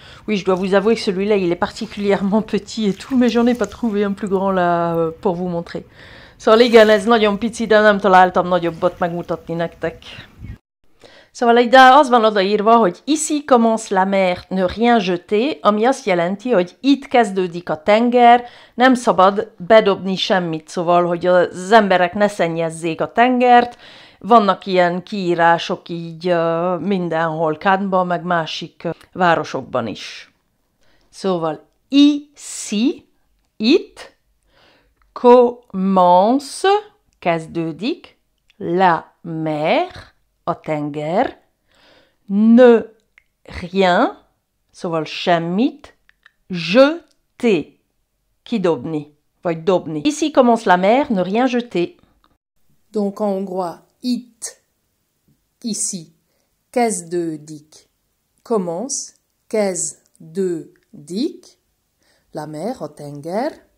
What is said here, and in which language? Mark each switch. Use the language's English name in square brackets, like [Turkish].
[French] Oui, je dois vous avouer que celui-là, il est particulièrement petit et tout, mais j'en ai pas trouvé un plus grand là pour vous montrer. [Hungarian] Szóval igen, ez nagyon pici, de nem találtam nagyobbat megmutatni nektek. Szóval egy, de az van odaírva, hogy [French] ici commence la mer, ne rien jeter, [Hungarian] ami azt jelenti, hogy itt kezdődik a tenger, nem szabad bedobni semmit, szóval, hogy az emberek ne szennyezzék a tengert. Vannak ilyen kiírások így mindenhol, Cannes-ban, meg másik városokban is. Szóval ici, itt, commence, kezdődik, la mer, a tenger, ne rien, szóval semmit, jeter, kidobni, vagy dobni. [French] Ici commence la mer, ne rien jeter. Donc en hongrois, it, ici, qu'est-ce de dic, commence, qu'est-ce de dic, la mer, o tenger.